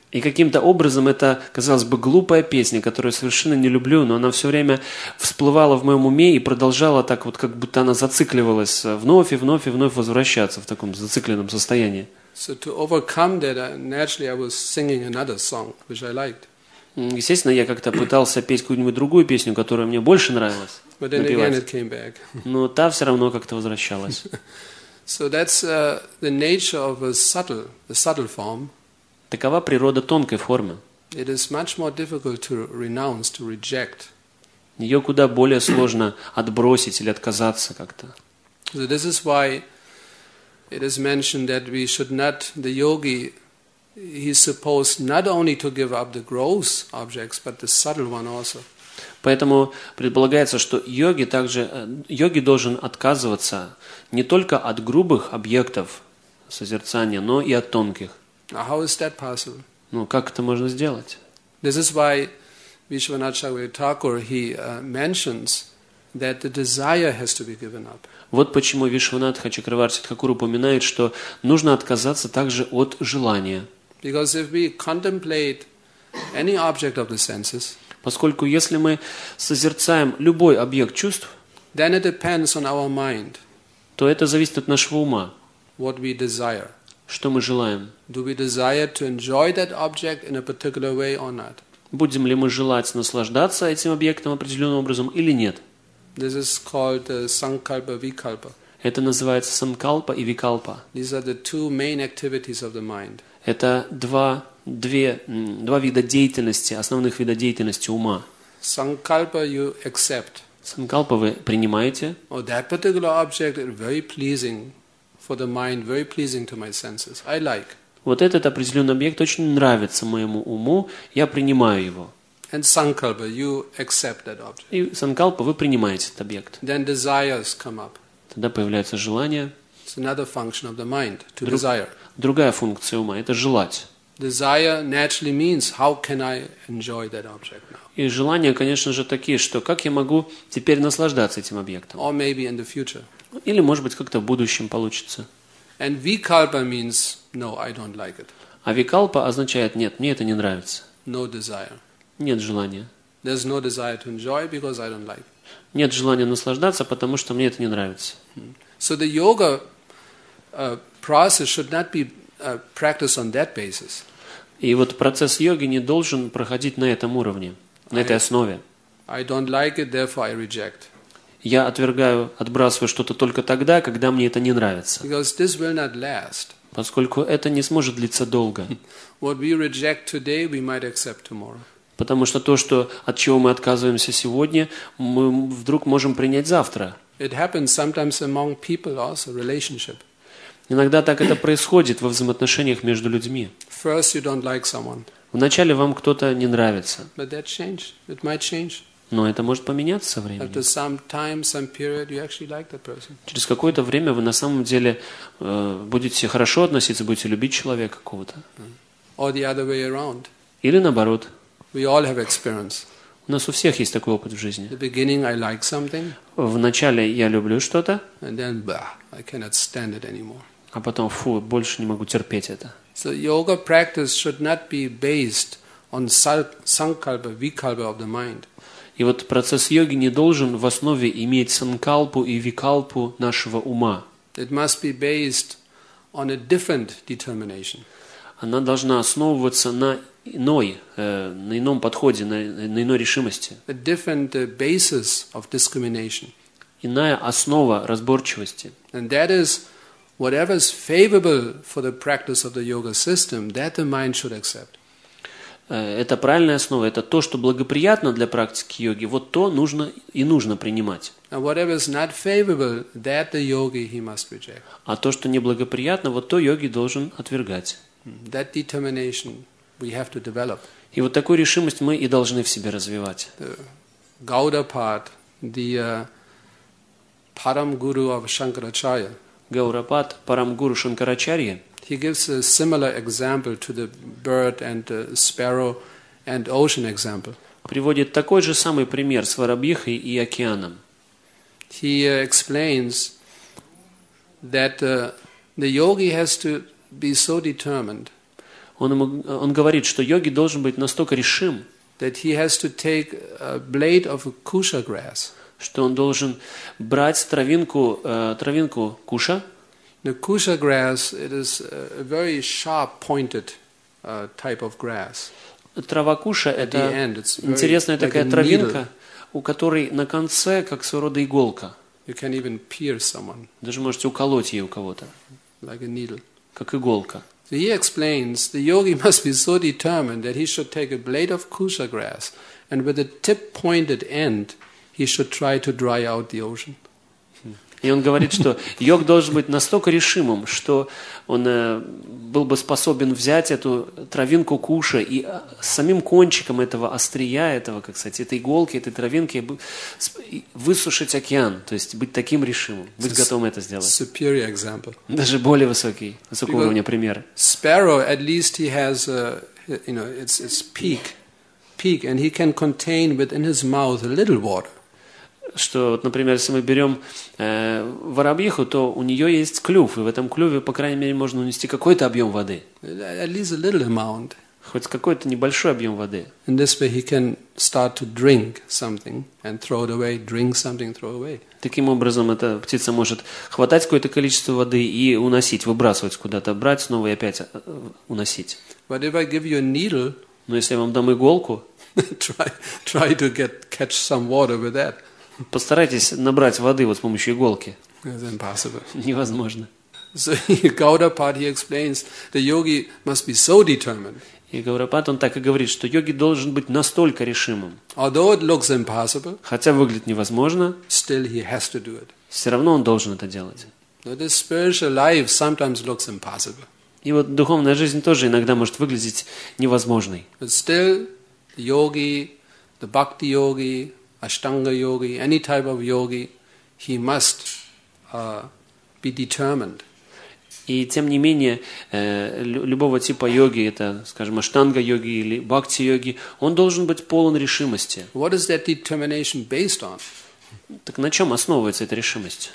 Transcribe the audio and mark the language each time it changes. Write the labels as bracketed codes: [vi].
[ru] И каким-то образом это, казалось бы, глупая песня, которую я совершенно не люблю, но она все время всплывала в моем уме и продолжала так вот, как будто она зацикливалась, вновь и вновь и вновь возвращаться в таком зацикленном состоянии. [en] So to overcome that, naturally I was singing another song, which I liked. [ru] Естественно, я как-то пытался петь какую-нибудь другую песню, которая мне больше нравилась. [en] But then [ru] напевать. [en] Again it came back. [ru] Но та все равно как-то возвращалась. [en] So that's the nature of a subtle form. [ru] Такова природа тонкой формы. [en] It is much more difficult to renounce, to reject. [ru] Ее куда более сложно отбросить или отказаться как-то. [en] So this is why it is mentioned that we should not, the yogi, he is supposed not only to give up the gross objects, but the subtle one also. [ru] Поэтому предполагается, что йоги также, йоги должен отказываться не только от грубых объектов созерцания, но и от тонких. [en] How is that possible? [ru] Ну, как это можно сделать? [en] This is why Vishwanatha Chakravarti Thakur, he mentions that the desire has to be given up. [ru] Вот почему Вишванат Хачакраварти Тхакур упоминает, что нужно отказаться также от желания. [en] Because if we contemplate any object of the senses, [ru] поскольку если мы созерцаем любой объект чувств, [en] then it depends on our mind. [ru] То это зависит от нашего ума. [en] What we desire. [ru] Что мы желаем? [en] Do we desire to enjoy that object in a particular way or not? [ru] Будем ли мы желать наслаждаться этим объектом определенным образом или нет? [en] This is called sankalpa-vikalpa. [ru] Это называется санкалпа и викалпа. [en] These are the two main activities of the mind. [ru] Это два вида деятельности, основных вида деятельности ума. [en] Sankalpa you accept. [ru] Санкалпа вы принимаете. [en] Oh, that particular object is very pleasing for the mind, very pleasing to my senses. I like. [ru] Вот этот определенный объект очень нравится моему уму, я принимаю его. [en] And sankalpa, you accept that object. [ru] И санкалпа, вы принимаете этот объект. [en] Then desires come up. [ru] Тогда появляется желание. [en] It's another function of the mind, to desire. [ru] Другая функция ума – это желать. [en] Desire naturally means, how can I enjoy that object now? [ru] И желания, конечно же, такие, что как я могу теперь наслаждаться этим объектом? [en] Or maybe in the future. [ru] Или, может быть, как-то в будущем получится. [en] And vikalpa means, no, I don't like it. [ru] А викалпа означает, нет, мне это не нравится. [en] No desire. [ru] Нет желания. [en] There's no desire to enjoy because I don't like. [ru] Нет желания наслаждаться, потому что мне это не нравится. [en] So the yoga process should not be practiced on that basis. [ru] И вот процесс йоги не должен проходить на этом уровне, на этой основе. [en] I don't like it, therefore I reject. [ru] Я отвергаю, отбрасываю что-то только тогда, когда мне это не нравится. [en] Because this will not last. [ru] Поскольку это не сможет длиться долго. [en] What we reject today, we might accept tomorrow. [ru] Потому что то, что, от чего мы отказываемся сегодня, мы вдруг можем принять завтра. [en] It happens sometimes among people also, relationship. [ru] Иногда так это происходит во взаимоотношениях между людьми. [en] First you don't like someone. [ru] Вначале вам кто-то не нравится. [en] But that changed. It might change. [ru] Но это может поменяться со временем. [en] After some time, some period, you actually like that person. [ru] Через какое-то время вы на самом деле будете хорошо относиться, будете любить человека какого-то. [en] Or the other way around. [ru] Или наоборот. [en] We all have experience. [ru] У нас у всех есть такой опыт в жизни. [en] The beginning I like something. [ru] Вначале я люблю что-то. [en] And then, bah, I cannot stand it anymore. [ru] А потом, фу, больше не могу терпеть это. [en] So yoga practice should not be based on sankalpa, vikalpa of the mind. [ru] И вот процесс йоги не должен в основе иметь санкалпу и викалпу нашего ума. [en] It must be based on a different determination. [ru] Она должна основываться на иной, на ином подходе, на иной решимости. [en] A different basis of discrimination. [ru] Иная основа разборчивости. [en] And that is, whatever is favorable for the practice of the yoga system, that the mind should accept. [ru] Это правильная основа, это то, что благоприятно для практики йоги, вот то нужно и нужно принимать. [en] And whatever is not favorable, that the yogi he must reject. [ru] А то, что неблагоприятно, вот то йоги должен отвергать. [en] That determination we have to develop. [ru] И вот такую решимость мы и должны в себе развивать. [en] Гаудапад, the Парамгуру of Шанкарачарья. [ru] Гаурапад, Парамгуру Шанкарачарья. [en] He gives a similar example to the bird and the sparrow and ocean example. [ru] Приводит такой же самый пример с воробьихой и океаном. [en] He explains that the yogi has to be so determined. [ru] Он говорит, что йоги должен быть настолько решим, [en] that he has to take a blade of kusha grass. [ru] Что он должен брать травинку куша. [en] The kusha grass, it is a very sharp pointed type of grass. [ru] Трава куша – это интересная такая травинка, у которой на конце как своего рода иголка. [en] You can even pierce someone. [ru] Даже можете уколоть ее у кого-то. [en] Like a needle. [ru] Как иголка. [en] So he explains the yogi must be so determined that he should take a blade of kusha grass and with a tip pointed end he should try to dry out the ocean. [ru] И он говорит, что йог должен быть настолько решимым, что он был бы способен взять эту травинку куша и самим кончиком этого острия, этого, как сказать, этой иголки, этой травинки высушить океан, то есть быть таким решимым, быть готовым это сделать. [en] Superior example. [ru] Даже более высокий, высокого [en] Because [ru] уровня пример. [en] Sparrow, at least he has, you know, it's peak, and he can contain within his mouth a little water. [ru] что, вот, например, если мы берем воробьиху, то у нее есть клюв, и в этом клюве, по крайней мере, можно унести какой-то объем воды. [en] At least a little amount. [ru] Хоть какой-то небольшой объем воды. [en] In this way he can start to drink something and throw it away, drink something, throw it away. [ru] Таким образом, эта птица может хватать какое-то количество воды и уносить, выбрасывать куда-то, брать снова и опять уносить. [en] But if I give you a needle, [ru] но если я вам дам иголку, [en] try to catch some water with that. [ru] Постарайтесь набрать воды вот с помощью иголки. [en] It's impossible. [ru] Невозможно. [en] So Gaudapada, he explains, the yogi must be so determined. [ru] И Гаудапада, он так и говорит, что йоги должен быть настолько решимым. [en] Although it looks impossible, [ru] хотя выглядит невозможно, [en] still he has to do it. [ru] Все равно он должен это делать. [en] But this spiritual life sometimes looks impossible. [ru] И вот духовная жизнь тоже иногда может выглядеть невозможной. [en] But still, the yogi, the bhakti yogi, ashtanga yogi, any type of yogi, he must be determined. [ru] И тем не менее, любого типа йоги, это, скажем, аштанга-йоги или бхакти-йоги, он должен быть полон решимости. [en] What is that determination based on? [ru] Так на чем основывается эта решимость?